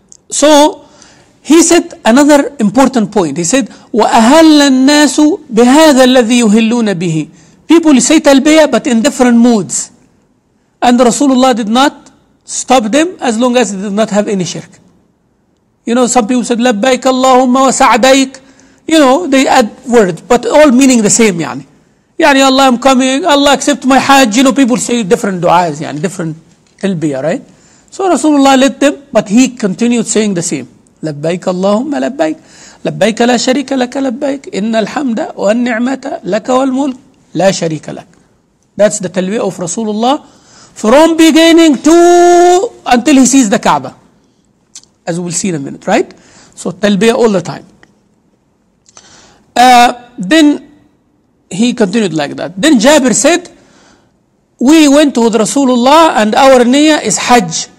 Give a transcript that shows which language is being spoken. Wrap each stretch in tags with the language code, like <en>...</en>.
<en>So he said another important point. He said,</en> <ar>وَأَهَلَّ النَّاسُ بِهَذَا الَّذِي يُهِلُّونَ بِهِ.</ar> <en>People say talbiyah, but in different moods. And Rasulullah did not stop them as long as they did not have any shirk. You know, some people said,</en> <ar>لَبَّيْكَ اللَّهُمَّ وَسَعْدَيْكَ.</ar> <en>You know, they add words, but all meaning the same, يعني. يعني, Allah, I'm coming. Allah, accept my hajj. You know, people say different du'as, يعني, different talbiyah, right? So Rasulullah led them, but he continued saying the same.</en> <ar>لبيك اللهم لبيك لبيك لا شريك لك لبيك إن الحمد والنعمة لك والملك لا شريك لك.</ar> <en>That's the talbiyah of Rasulullah from beginning to until he sees the Kaaba, as we'll see in a minute, right? So talbiyah all the time. Then he continued like that. Then Jabir said, we went with Rasulullah and our niyyah is Hajj.</en>